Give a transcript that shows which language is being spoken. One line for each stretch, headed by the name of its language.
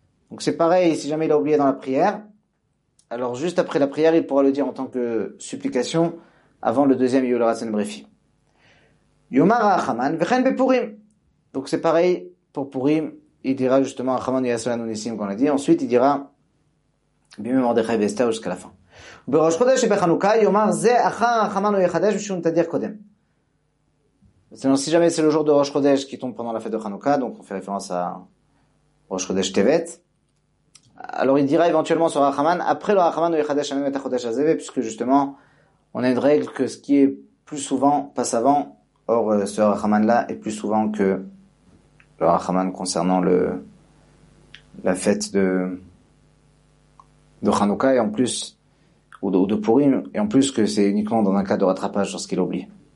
French: Donc, c'est pareil, si jamais il a oublié dans la prière, alors juste après la prière, il pourra le dire en tant que supplication avant le deuxième Yuloratson Brefi.
Hebrew: Yomar Rachaman, Vechen Bepurim.
French: Donc, c'est pareil pour Purim. Il dira justement Rachaman Yasolan Onissim, qu'on l'a dit. Ensuite, il dira Bimé Mordechai Vesta jusqu'à la fin.
Hebrew: בראש חודש שבחנוכה יאמר זה אחר הרחמן הוא יחדש משום תדיר קודם.
French: Sinon, si jamais c'est le jour de Rosh Chodesh qui tombe pendant la fête de Hanouka, donc on fait référence à Rosh Chodesh Tevet, alors il dira éventuellement sur Rachaman, après le Rachaman ou Yechadesh Hanem et Achodesh Azeve, puisque justement, on a une règle que ce qui est plus souvent passe avant, or ce Rachaman-là est plus souvent que le Rachaman concernant la fête de Hanouka, et en plus, ou de Purim, et en plus que c'est uniquement dans un cas de rattrapage lorsqu'il oublie.